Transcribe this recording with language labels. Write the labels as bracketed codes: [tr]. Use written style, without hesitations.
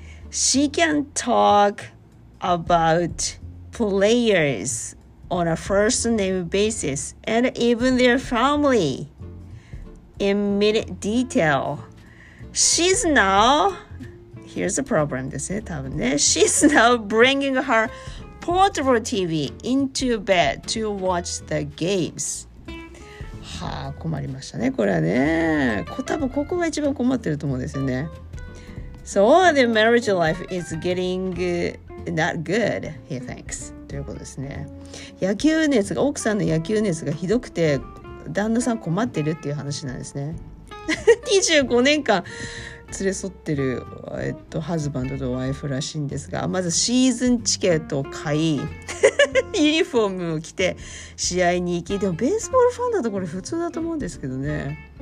[en] She can talk about players on a first name basis and even their family in minute detail. She's now, here's the problem, this is it, she's now bringing her portable TV into bed to watch the games. [ja] はあ、困りましたね、これはね。多分ここが一番困ってると思うんですよね。 [en] So the marriage life is getting not good, he thinks. [ja] ということですね。野球熱が、奥さんの野球熱がひどくて、旦那さん困ってるっていう話なんですね。 25年間連れ添ってる、ハズバンドとワイフらしいんですが、まずシーズンチケットを買い、ユニフォームを着て試合に行き、でもベースボールファンだとこれ普通だと思うんですけどね。